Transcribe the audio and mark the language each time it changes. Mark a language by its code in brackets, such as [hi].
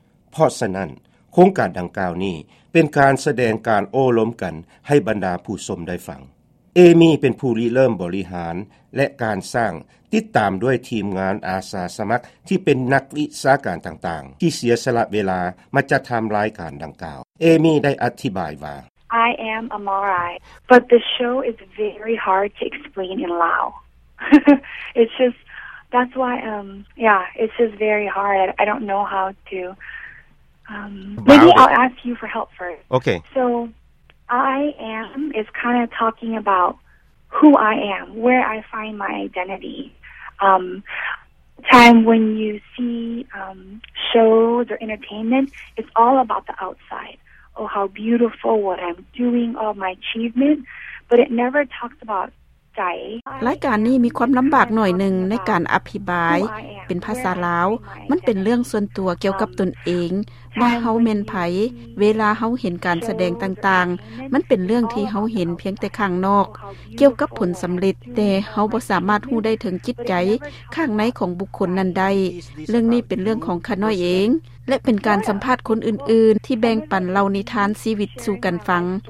[th] เพราะฉะนั้นโครงการดังกล่าวนี้เป็นการแสดงการโอ้ล้มกันให้บรรดาผู้ชมได้ฟังเอมี่เป็นผู้ริเริ่มบริหารและการสร้างติดตามด้วยทีมงานอาสาสมัครที่เป็นนักวิชาการต่างๆที่เสียสละเวลามาจัดทํารายการดังกล่าวเอมี่ได้อธิบายว่า [en] I am Amarai but the show is very hard to explain in Lao it's justThat's why, it's just very hard. I don't know how to. Maybe I'll ask you for help first. Okay. So, I am is kind of talking about who I am, where I find my identity. Time when you see shows or entertainment, it's all about the outside. Oh, how beautiful, what I'm doing, all my achievement. But it never talks about [tts] รายการนี้มีความลำบากหน่อยหนึ่งในการอภิบายเป็นภาษาลาวมันเป็นเรื่องส่วนตัวเกี่ยวกับตนเองว่าเฮาแม่นไผเวลาเฮาเห็นการแสดงต่างๆมันเป็นเรื่องที่เฮาเห็นเพียงแต่ข้างนอกเกี่ยวกับผลสําเร็จแต่เฮาบ่สามารถรู้ได้ถึงจิตใจข้างในของบุคคลนั้นได้เรื่องนี้เป็นเรื่องของข้าน้อยเองและเป็นการสัมภาษณ์คนอื่นๆที่แบ่งปันเล่านิทานชีวิตสู่กันฟัง